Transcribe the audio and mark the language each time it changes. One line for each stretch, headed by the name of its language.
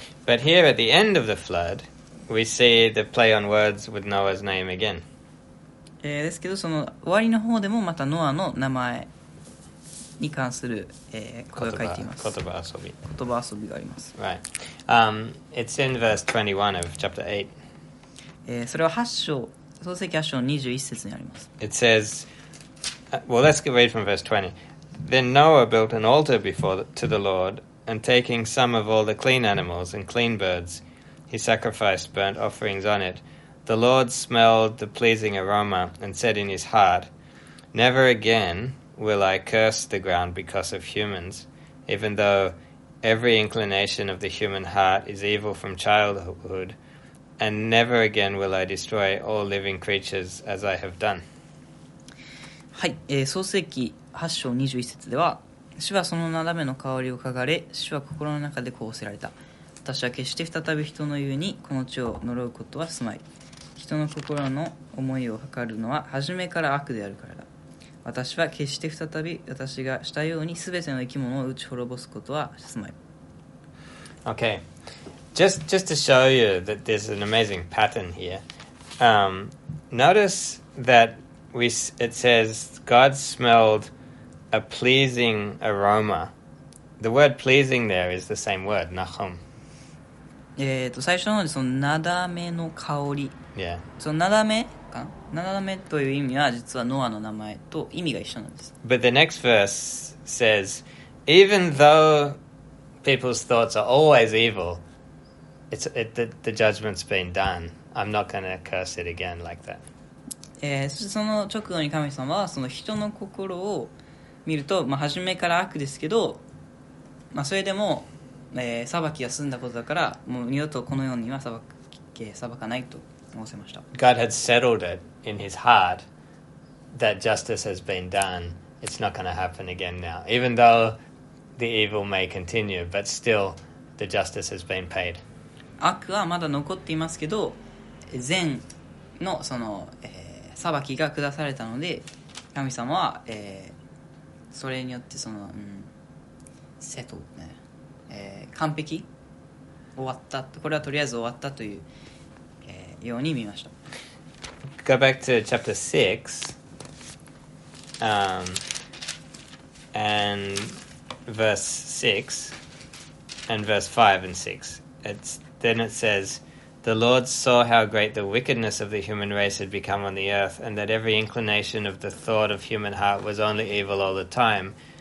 English: But here at the end of the flood, we see the play on words with Noah's name again.
Japanese: ですけど、その終わりの方でもまたノアの名前に関する、これを書いています。言葉遊びがあります。
English: Right. It's in verse 21 of chapter 8.
Japanese: それは8章、創世記8章21節にあります。
English: It says, well, let's read from verse 20. Then Noah built an altar before to the Lord. And taking some of all the clean animals and clean birds, he sacrificed burnt offerings on it. The Lord smelled the pleasing aroma and said in his heart, Never again will I curse the ground because of humans, even though every inclination of the human heart is evil from childhood, and never again will I destroy all living creatures as I have done.
Japanese: はい、創世記8章21節では、主はそのなだめの香りを嗅がれ、主は心の中でこうせられた。私は決して再び人の言うにこの地を呪うことはすまい。人の心の思いを測るのは初めから悪であるからだ。私は決して再び私がしたようにすべての生き物を打ち滅ぼすことはすまい。
English: Okay. Just to show you that there's an amazing pattern here. Notice that it says God smelledA pleasing aroma. The word pleasing there is the same word, nachum.
Japanese: 最初のそのなだめの香り。
English: Yeah.
Japanese: そのなだめか、なだめという意味は実はノアの名前と意味が一緒なんです。
English: But the next verse says, even though people's thoughts are always evil, the judgment's been done. I'm not going to curse it again like that.
Japanese: その直後に神様はその人の心を見ると、まあ、初めから悪ですけど、まあ、それでも、裁きが済んだことだから、もう二度とこのようには裁かないと申せました。
English: God had settled it in his heart that justice has been done. It's not going to happen again now. Even though the evil may continue, but still the justice has been paid.
Japanese: 悪はまだ残っていますけど、善のその、裁きが下されたので、神様は、それによってその、セトね、完璧終わったと、これはとりあえず終わったという、ように見ました。
English: Go back to chapter 6 and verse 6 and verse 5 and 6. Then it says, The Lord saw how great the wickedness of the human race had become on the earth, and that every inclination of the thought of human heart was only evil all the time.